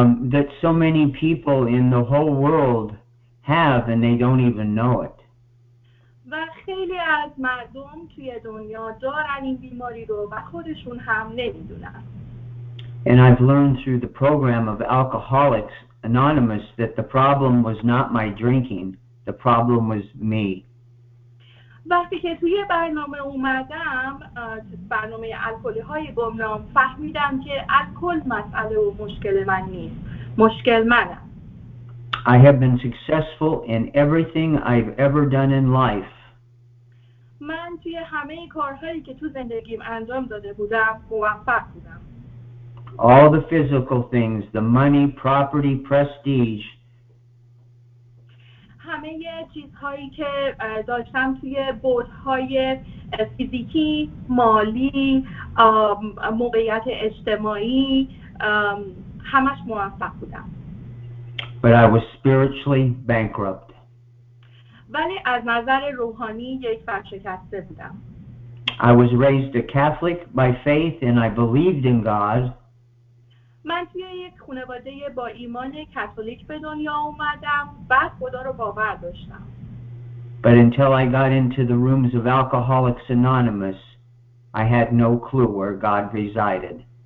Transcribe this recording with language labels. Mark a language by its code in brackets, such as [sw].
[en] That so many people in the whole world have and they don't even know it. [fa] و خیلی از مردم توی دنیا دارن این بیماری رو و خودشون هم نمیدونن. [en] And I've learned through the program of Alcoholics Anonymous that the problem was not my drinking, the problem was me. [fa] وقتی که توی برنامه اومدم، برنامه الکلی‌های گمنام، فهمیدم که الکل مسئله و مشکل من نیست، مشکل منم. [en] I have been successful in everything I've ever done in life. [fa] من توی همه کارهایی که تو زندگیم انجام داده بودم، موفق بودم. [en] All the physical things, the money, property, prestige. [fa] همه چیزهایی که داشتم توی بُعدهای فیزیکی، مالی، موقعیت اجتماعی، همش موفق بودم. [en] But I was spiritually bankrupt. [fa] ولی از نظر روحانی یک ورشکسته بودم. [en] I was raised a Catholic by faith and I believed in God. [fa] من توی یک خانواده با ایمان کاتولیک به دنیا اومدم، بعد خدا رو باور داشتم. [en] But until I got into the rooms of Alcoholics Anonymous, I had no clue where God resided.